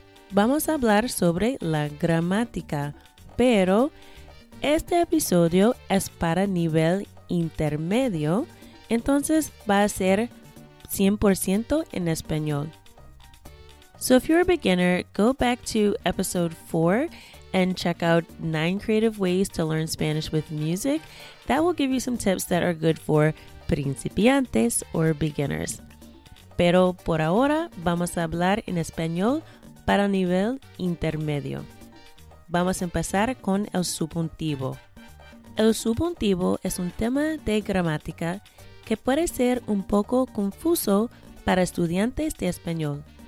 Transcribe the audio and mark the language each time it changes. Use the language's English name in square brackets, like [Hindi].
[Spanish] Vamos a hablar sobre la gramática, pero este episodio es para nivel intermedio, entonces va a ser 100% en español. [English] So if you're a beginner, go back to episode 4 and check out 9 creative ways to learn Spanish with music. That will give you some tips that are good for principiantes or beginners. [Spanish] Pero por ahora vamos a hablar en español para nivel intermedio. Vamos a empezar con el subjuntivo. El subjuntivo es un tema de gramática que puede ser un poco confuso para estudiantes de español.